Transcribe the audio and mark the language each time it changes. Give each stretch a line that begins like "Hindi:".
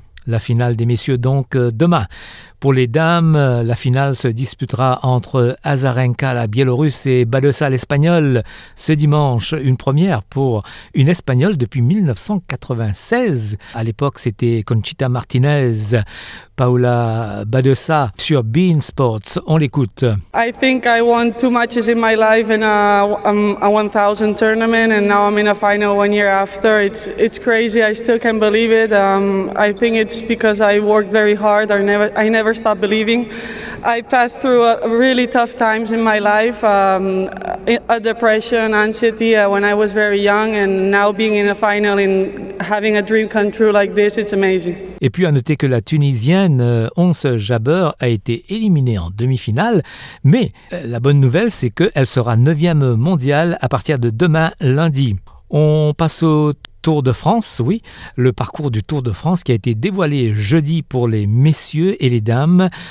French: La finale des messieurs donc demain. Pour les dames, la finale se disputera entre Azarenka la Biélorusse et Badosa l'Espagnole ce dimanche. Une première pour une Espagnole depuis 1996. À l'époque, c'était Conchita Martinez, Paula Badosa sur Bein Sports. On l'écoute.
English: I think I won two matches in my life in a 1000 tournament and now I'm in a final one year after. It's crazy. I still can't believe it. I think it's because I worked very hard. I never stopped believing. I passed through really tough times in my life, a depression, anxiety when I was very young, and now being in a final and having a dream come true like this, it's amazing.
French: Et puis à noter que la Tunisienne Once Jabeur a été éliminée en demi-finale, mais la bonne nouvelle, c'est qu'elle sera 9e mondiale à partir de demain, lundi. On passe au Tour de France, oui, le parcours du Tour de France qui a été dévoilé jeudi pour les messieurs et les dames.